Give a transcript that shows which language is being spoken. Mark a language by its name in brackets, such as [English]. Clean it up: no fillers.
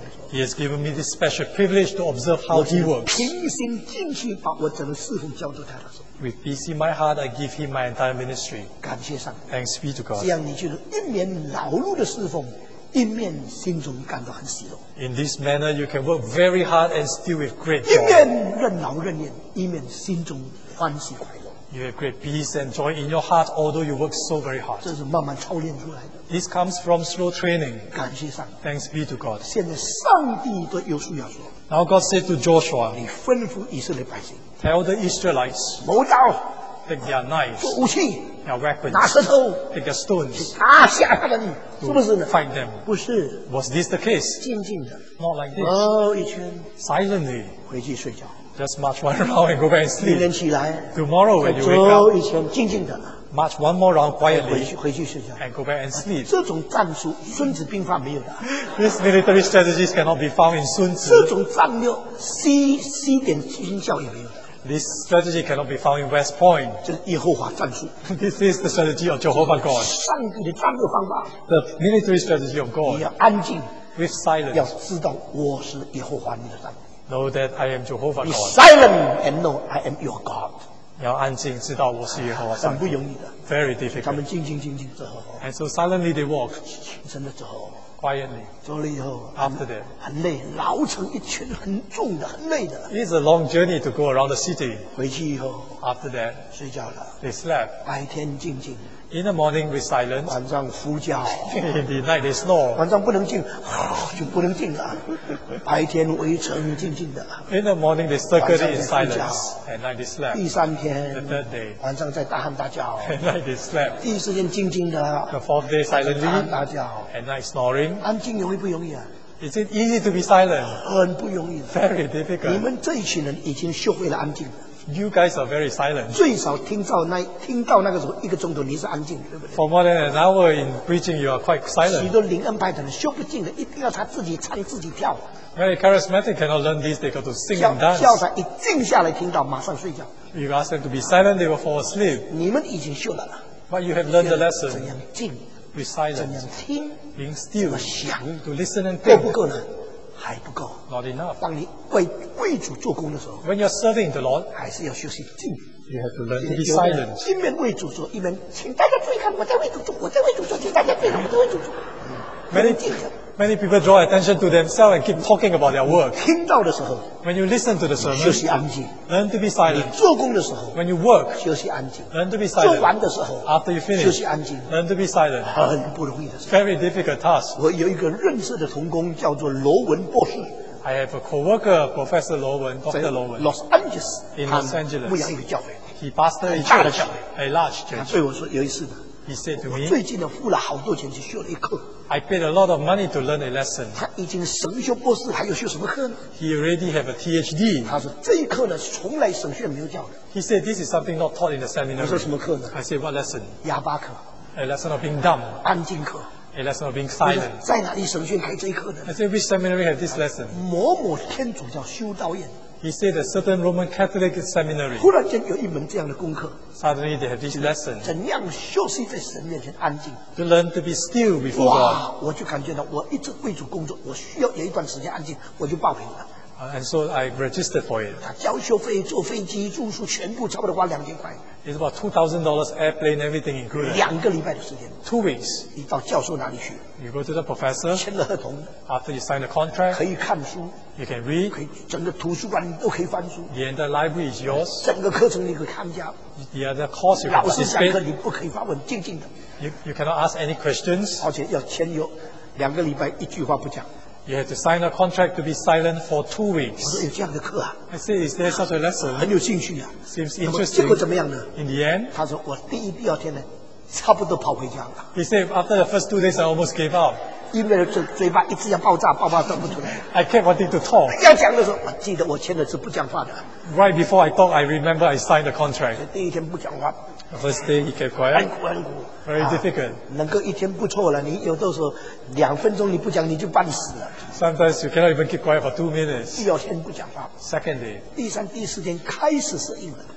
[English] He has given me this special privilege to observe how He works. With peace in my heart, I give Him my entire ministry. [Chinese] 感谢上帝。 [English] Thanks be to God. [Chinese] 这样你就一面劳碌的侍奉，一面心中感到很喜乐。 [English] In this manner, you can work very hard and still with great joy. [Chinese] 一面任劳任怨，一面心中欢喜快乐。 [English] You have great peace and joy in your heart, although you work so very hard. [Chinese] 这是慢慢操练出来的。 [English] This comes from slow training. [Chinese] 感谢上帝。 [English] Thanks be to God. [Chinese] 现在上帝对约书亚说。 [English] Now God said to Joshua, [Chinese] 你吩咐以色列百姓。 [English] Tell the Israelites, [Chinese] 谋刀。 [English] Take their knives. [Chinese] 武器。 [English] Their weapons. [Chinese] 拿石头。 [English] Take their stones. [Chinese] 打吓他们，是不是呢 [English] ？Fight them. [Chinese] 不是。 [English] Was this the case? [Chinese] 静静的。 [English] Not like this. [Chinese] 绕一圈。 [English] Silently. [Chinese] 回去睡觉。 [English] Just march one round and go back and sleep. [Chinese] 明天起来。 [English] Tomorrow when you wake up. [Chinese] 绕一圈，静静的。 [English] March one more round quietly. [Chinese] 回去睡觉。 [English] And go back and sleep. [Chinese] 这种战术，《孙子兵法》没有的。 [English] This military strategies cannot be found in 孙子。 [Chinese] 这种战略 ，C 点军校也没有的。 [English] This strategy cannot be found in West Point. [Chinese] 这是耶和华战术。 [English] This is the strategy of Jehovah God. [Chinese] 上帝的战略方法。 [English] The military strategy of God. [Chinese] 你要安静。 [English] With silence. [Chinese] 要知道我是耶和华你的神。 [English] Know that I am Jehovah God. Be silent and know I am your God. [Chinese] 要安静，知道我是耶和华神。很不容易的。 [English] Very difficult. [Chinese] 他们静走。 [English] And so silently they walk. [Chinese] 真的走。 [English] Quietly. [Chinese] 走了以后。 [English] After that. [Chinese] 很累，劳成一圈，很重的，很累的。 [English] It's a long journey to go around the city. [Chinese] 回去以后。 [English] After that. [Chinese] 睡觉了。 [English] They slept. [Chinese] 白天静静。 [English] In the morning with silence. [Chinese] 晚上呼叫。 [English] In the night they snore. [Chinese] 晚上不能静，就不能静了。白天围城静静的。 [English] In the morning they circled in silence. At night they slept. [Chinese] 第三天。 [English] The third day. [Chinese] 晚上在大喊大叫。 [English] At night they slept. [Chinese] 第四天静静的。 [English] The fourth day silently. [Chinese] 大喊大叫。 [English] At night snoring. [Chinese] 安静容易不容易啊？ [English] Is it easy to be silent? [Chinese] 很不容易。 [English] Very difficult. [Chinese] 你们这一群人已经学会了安静。 [English] You guys are very silent. [Chinese] 最少听到那个时候一个钟头，你是安静，对不对 [English] ？For more than an hour in preaching, you are quite silent. [Chinese] 许多灵恩派的人修不进的，一定要他自己唱自己跳。 [English] Very charismatic cannot learn this. They got to sing and dance. [Chinese] 叫他一静下来听到，马上睡觉。 [English] You ask them to be silent, they will fall asleep. [Chinese] 你们已经修了。 [English] But you have learned the lesson. [Chinese] 怎样静 [English] ？With silence. [Chinese] 怎样听 [English] ？Being still. [Chinese] 怎么想 [English] ？To listen and think. [Chinese] 够不够呢？还不够。 [English] Not enough. [Chinese] 当你为主做工的时候 [English] ，When you're serving the Lord， [Chinese] 还是要学习静。 [English] You have to learn to be silent. [Chinese] 一面为主做，一面请大家注意看，我在为主做，请大家注意看，我在为主做。 [English] Many people draw attention to themselves and keep talking about their work. [Chinese] 听到的时候 [English] ，When you listen to the sermon， [Chinese] 休息安静。 [English] Learn to be silent. [Chinese] 你做工的时候 [English] ，When you work， [Chinese] 休息安静。 [English] Learn to be silent. [Chinese] 做完的时候 [English] ，After you finish， [Chinese] 休息安静。 [English] Learn to be silent. [Chinese] 很不容易的事。 [English] Very difficult task. [Chinese] 我有一个认识的同工，叫做罗文博士。 [English] I have a co-worker, Professor Lo Wen, Dr. Lo Wen. Los Angeles. In Los Angeles. [Chinese] 牧羊一个教会。 [English] He pastored a church. A large church. [Chinese] 他对我说有一次呢。 [English] He said to me. [Chinese] 我最近呢付了好多钱去学了一课。 [English] I paid a lot of money to learn a lesson. [Chinese] 他已经神学博士还有学什么课呢 [English] ?He already have a PhD. [Chinese] 他说这一课呢从来神学没有教的。 [English] He said this is something not taught in the seminar. [Chinese] 我说什么课呢 [English] ?I said what lesson? [Chinese] 哑巴课。 [English] A lesson of being dumb. [Chinese] 安静课。 [English] A lesson of being silent. [Chinese] 在哪里神学开这一课呢 [English] ？I said which seminary have this lesson? [Chinese] 某某天主教修道院。 [English] He said a certain Roman Catholic seminary. [Chinese] 忽然间有一门这样的功课。 [English] Suddenly they have this lesson. [Chinese] 怎样休息在神面前安静 [English] ？To learn to be still before God. [Chinese] 哇，我就感觉到我一直为主工作，我需要有一段时间安静，我就报名了。 [English] And so I registered for it. [Chinese] 他交学费、坐飞机、住宿全部差不多花2000块。 [English] It's about $2,000 airplane, everything included. [Chinese] 2个礼拜的时间。 [English] 2 weeks. [Chinese] 你到教授那里去。 [English] You go to the professor. [Chinese] 签了合同。 [English] After you sign the contract. [Chinese] 可以看书。 [English] You can read. [Chinese] 可以整个图书馆你都可以翻书。 [English] The entire library is yours. [Chinese] 整个课程你可以参加。 [English] The other course you can participate. [Chinese] 老师讲课你不可以发问，静静的。 [English] You cannot ask any questions. [Chinese] 而且要签约，2个礼拜一句话不讲。 [English] You have to sign a contract to be silent for 2 weeks. [Chinese] 我说有这样的课啊。 [English] I said, is there such a lesson? [Chinese] 很有兴趣啊。 [English] Seems interesting. [Chinese] 结果怎么样呢 [English] ？In the end, [Chinese] 他说我第一、第二天呢，差不多跑回家了。 [English] He said, after the first 2 days, I almost gave up. [Chinese] 因为嘴巴一直要爆炸说不出来。 [English] I kept wanting to talk. [Chinese] 要讲的时候，我记得我签的是不讲话的。 [English] Right before I talk, I remember I signed the contract. [Chinese] 第一天不讲话。 [English] The first day, he kept quiet. [Chinese] 很苦。 [English] Very difficult. [Chinese] 能够一天不错了。你有的时候2分钟你不讲，你就半死了。 [English] Sometimes you cannot even keep quiet for 2 minutes. [Chinese] 第二天不讲话。 [English] Second day. [Chinese] 第三、第四天开始适应了。